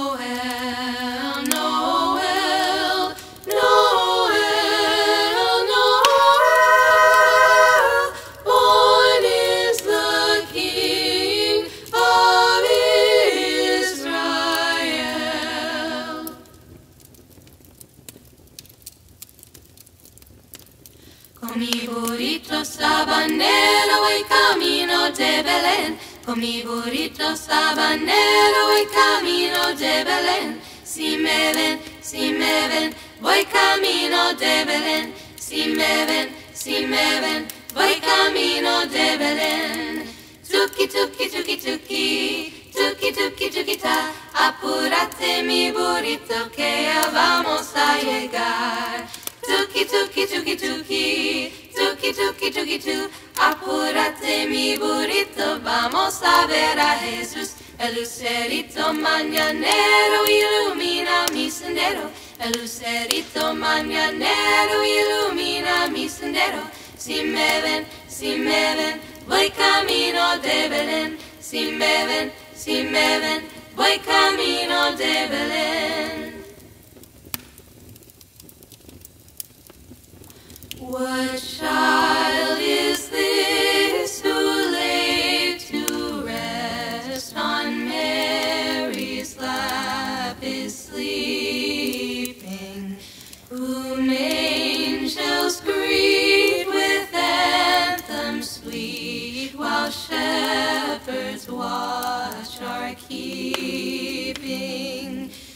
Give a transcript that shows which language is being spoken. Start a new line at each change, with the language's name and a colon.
English: Noel, Noel, Noel, Noel, born is the King of Israel.
Spanish: Con mi burrito sabanero voy camino de Belén. Con mi burrito sabanero voy camino de Belén. Si me ven, si me ven, voy camino de Belén. Si me ven, si me ven, voy camino de Belén. Tuki tuki tuki tuki, tuki tuki tuki ta. Apúrate mi burrito que ya vamos a llegar. Tuki tuki tuki tuki, tuki tuki tuki tu. Apúrate mi burrito, vamos a ver a Jesús. El lucerito mañanero ilumina mi sendero. El lucerito mañanero ilumina mi sendero. Si me ven, si me ven, voy camino de Belén. Si me ven, si me ven, voy camino de Belén.
English: What child is this who laid to rest on Mary's lap is sleeping, whom angels greet with anthems sweet while shepherds watch are keeping?